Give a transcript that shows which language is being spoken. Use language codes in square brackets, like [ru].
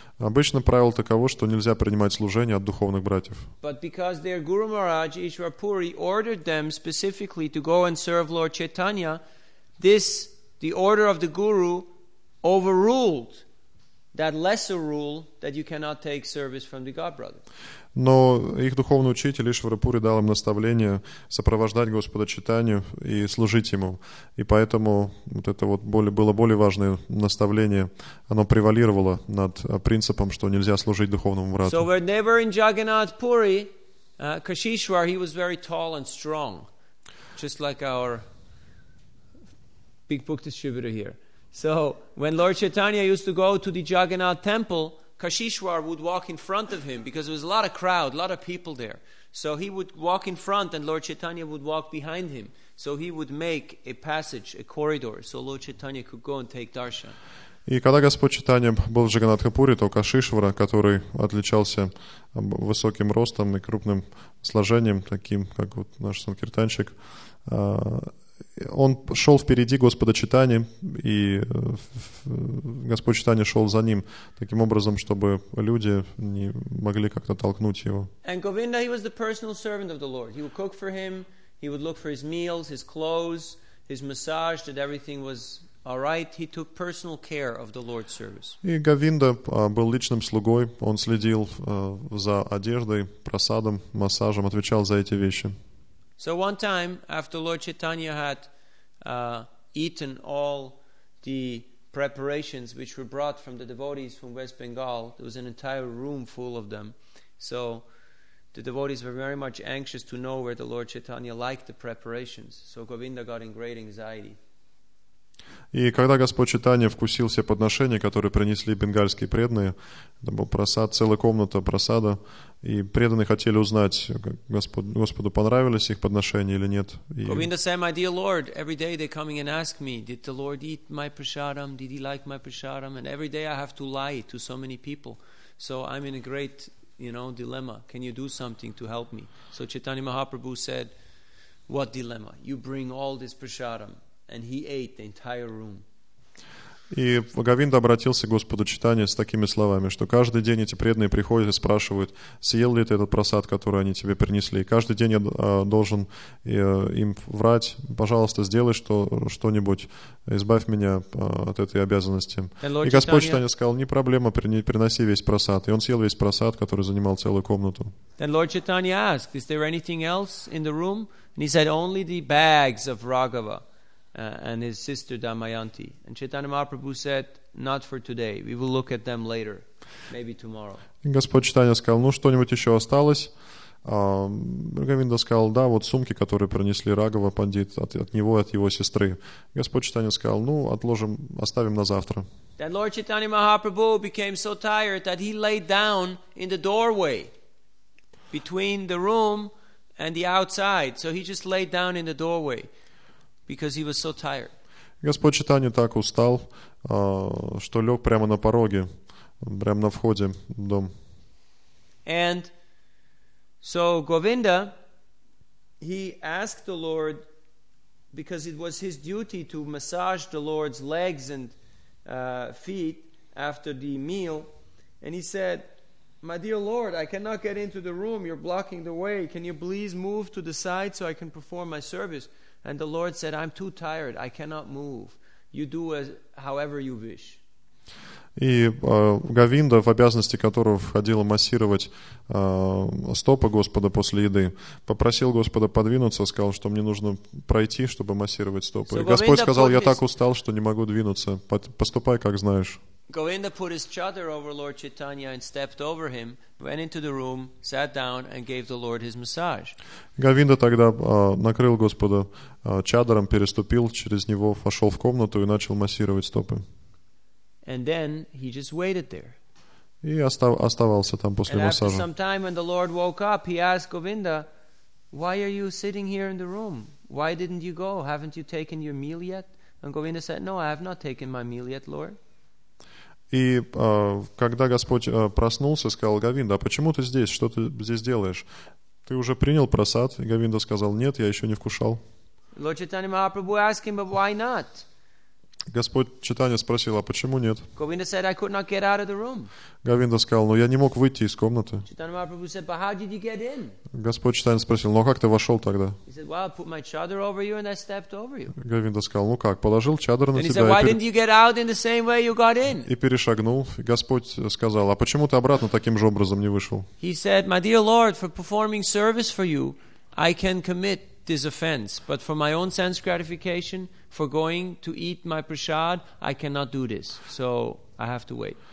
[ru] Обычно правило таково, что нельзя принимать служение от духовных братьев. [en] But because their Guru Maharaj Ishwarpuri ordered them specifically to go and serve Lord Chaitanya, this the order of the Guru overruled that lesser rule that you cannot take service from the God brother. [ru] Но их духовный учитель Ишварапури дал им наставление сопровождать Господа Читанию и служить Ему. И поэтому вот это вот более, было более важное наставление, оно превалировало над принципом, что нельзя служить духовному брату. [en] So whenever in Jagannath Puri, Kashishwar, he was very tall and strong, just like our big book distributor here. So when Lord Chaitanya used to go to the Jagannath temple, Kashishwar would walk in front of him because there was a lot of crowd, a lot of people there. So he would walk in front and Lord Chaitanya would walk behind him. So he would make a passage, a corridor, so Lord Chaitanya could go and take darshan. [ru] И когда Господь Читания был в Джаганатхапуре, то Кашишвара, который отличался высоким ростом и крупным сложением, таким как вот наш санкиртанчик, он шел впереди Господа Читания, и Господь Читания шел за ним, таким образом, чтобы люди не могли как-то толкнуть его. [en] And Govinda, he was the personal servant of the Lord. He would cook for him, he would look for his meals, his clothes, his massage, that everything was all right. He took personal care of the Lord's service. [ru] И Говинда был личным слугой, он следил за одеждой, просадом, массажем, отвечал за эти вещи. [en] So one time, after Lord Chaitanya had eaten all the preparations which were brought from the devotees from West Bengal, there was an entire room full of them. So the devotees were very much anxious to know where the Lord Chaitanya liked the preparations. So Govinda got in great anxiety. [ru] И когда Господь Читания вкусил все подношения, которые принесли бенгальские преданные, это был просад, целая комната просада, и преданные хотели узнать, Господу понравились их подношения или нет. [en] Govinda said, my dear Lord, every day they coming and ask me, did the Lord eat my prasadam, did he like my prasadam, and every day I have to lie to so many people, so I'm in a great, you know, dilemma, can you do something to help me? So Chaitanya Mahaprabhu said, what dilemma? You bring all this prasadam. And he ate the entire room. [ru] И Говинда обратился к Господу Читания с такими словами, что каждый день эти преданные приходят и спрашивают, съел ли ты этот просад, который они тебе принесли. И каждый день я должен им врать, пожалуйста, сделай что-нибудь, избавь меня от этой обязанности. И Господь Читания сказал, не проблема, приноси весь просад. И он съел весь просад, который занимал целую комнату. [en] Then Lord Chaitanya asked, is there anything else in the room? And he said, only the bags of Raghava. And his sister Damayanti. And Chaitanya Mahaprabhu said, not for today. We will look at them later. Maybe tomorrow. [ru] Господь Читания сказал, ну что-нибудь еще осталось? Говинда сказал, да, вот сумки, которые принесли Рагава пандит от него и от его сестры. Господь Читания сказал, ну отложим, оставим на завтра. [en] Then Lord Chaitanya Mahaprabhu became so tired that he laid down in the doorway between the room and the outside. So he just laid down in the doorway. Because he was so tired. [ru] Господь Читания так устал, что лег прямо на пороге, прямо на входе в дом. [en] And so Govinda, he asked the Lord, because it was his duty to massage the Lord's legs and feet after the meal, and he said, my dear Lord, I cannot get into the room, you're blocking the way, can you please move to the side so I can perform my service? And the Lord said, I'm too tired, I cannot move. You do as however you wish. [ru] И Говинда, в обязанности которого входило массировать стопы Господа после еды, попросил Господа подвинуться, сказал, что мне нужно пройти, чтобы массировать стопы. [en] So Господь Govinda [ru] сказал, я так устал, что не могу двинуться. Поступай, как знаешь. [en] Govinda put his chadar over Lord Chaitanya and stepped over him, went into the room, sat down and gave the Lord his massage. [ru] Говинда тогда накрыл Господа чадаром, переступил через него, вошел в комнату и начал массировать стопы. [en] And then he just waited there. [ru] И оставался там после массажа. [en] And after some time when the Lord woke up, he asked Govinda, why are you sitting here in the room? Why didn't you go? Haven't you taken your meal yet? And Govinda said, no, I have not taken my meal yet, Lord. [ru] И когда Господь проснулся, сказал Говинда, а почему ты здесь? Что ты здесь делаешь? Ты уже принял просад? И Говинда сказал, нет, я еще не вкушал. [en] Lord Chaitanya Mahaprabhu asked him, but why not? [ru] Господь Читания спросил, а почему нет? [en] Говинда said, I could not get out of the room. [ru] Говинда сказал, но я не мог выйти из комнаты. [en] Читания Махапрабху said, but how did you get in? [ru] Господь Читания спросил, но как ты вошел тогда? [en] He said, well, I put my chadar over you and I stepped over you. [ru] Говинда сказал, ну как, положил чадар на тебя. [en] And he said, why didn't you get out in the same way you got in? [ru] И перешагнул. И Господь сказал, а почему ты обратно таким же образом не вышел? [en] He said, my dear Lord, for performing service for you, I can commit this offense, but for my own sense gratification, for going to eat my prasad, I cannot do this, so I have to wait.